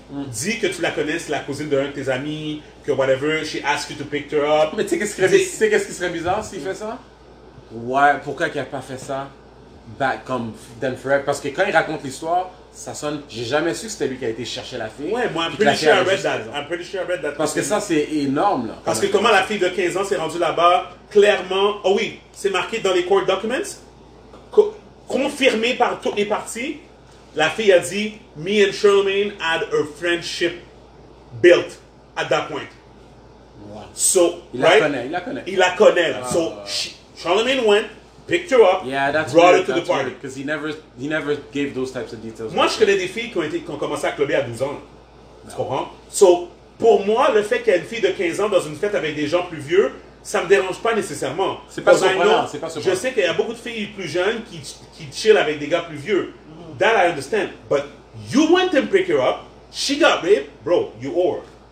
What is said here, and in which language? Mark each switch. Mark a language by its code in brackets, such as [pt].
[fr] Mm. Dis que tu la connais, c'est la cousine d'un de tes amis, que whatever, [en] she asked you to pick her up. [fr] Mais tu sais qu'est-ce qui serait bizarre s'il fait ça? Ouais, pourquoi qu'il n'a pas fait ça? Back comme Dan Ferret, parce que quand il raconte l'histoire, ça sonne. J'ai jamais su que c'était lui qui a été chercher la fille. Ouais, moi, [en] I'm pretty sure I read that. [fr] Parce que ça, c'est énorme, là. Parce que comment la fille de 15 ans s'est rendue là-bas, clairement. Oh oui, c'est marqué dans les court documents, confirmé par toutes les parties. La fille a dit, [en] me and Charlemagne had a friendship built at that point. Wow. So, [fr] il la connaît. [en] Là. So, Charlemagne went. Picked her up. Yeah, that's brought weird, her to that's the party. Because he never gave those types of details. [fr] Moi, je connais des filles qui ont commencé à clubber à 12 ans. [en] No. [fr] Tu comprends? So, pour moi, le fait qu'il y ait une fille de 15 ans dans une fête avec des gens plus vieux, ça ne me dérange pas nécessairement. C'est pas surprenant. Je sais qu'il y a beaucoup de filles plus jeunes qui chillent avec des gars plus vieux. [en] Mm. That I understand. But you went and picked her up. She got raped. Bro, you whore.